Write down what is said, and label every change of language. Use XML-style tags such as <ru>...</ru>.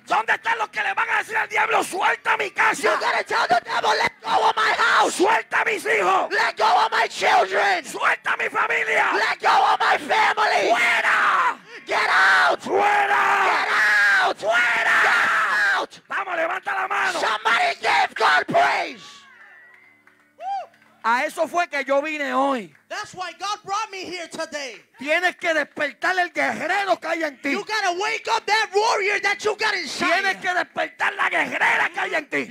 <es>¿Dónde están los que le van a decir al diablo, suelta mi casa?</es> <en>You gotta tell the devil, let go of my house.</en> <es>Suelta mis hijos.</es> <en>Let go of my children.</en> <es>Suelta mi familia.</es> <en>Let go of my family.</en> <es>Fuera.</es> <en>Get out!</en> <es>Fuera!</es> <en>Get out!</en> <es>Fuera!</es> <en>Get out!</en> <es>Vamos, levanta la mano.</es> <en>Somebody give God praise.</en> <es>A eso fue que yo vine hoy.</es> <en>That's why God brought me here today.</en> <es>Tienes que despertar el guerrero que hay en ti.</es> <en>You gotta wake up that warrior that you got inside.</en> <es>Tienes que despertar la guerrera que hay en ti.</es>